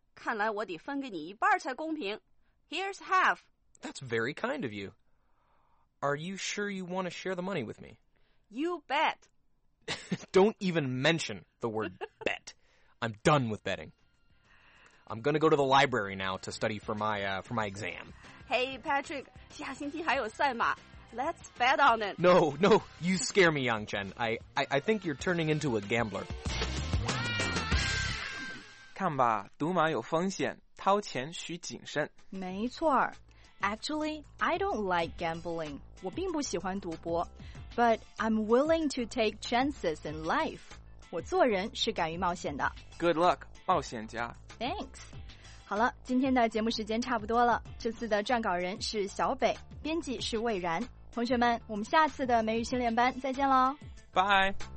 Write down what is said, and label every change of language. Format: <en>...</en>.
<zh>看来我得分给你一半才公平。</zh> <en>Here's half. That's very kind of you. Are you sure you want to share the money with me? You bet. Don't even mention the word bet. I'm done with betting. I'm going to go to the library now to study for my exam. Hey, Patrick,</en> <zh>下星期还有赛马。</zh> <en>Let's bet on it. No, you scare me, Yang Chen. I think you're turning into a gambler.</en> <zh>看吧，赌马有风险，掏钱需谨慎。没错儿。</zh> <en>Actually, I don't like gambling.</en> <zh>我并不喜欢赌博</zh> <en>But I'm willing to take chances in life.</en> <zh>我做人是敢于冒险的</zh> <en>Good luck,</en> <zh>冒险家</zh> <en>Thanks.</en> <zh>好了，今天的节目时间差不多了。这次的撰稿人是小北，编辑是魏然。同学们，我们下次的美语训练班再见喽。</zh> <en>Bye.</en>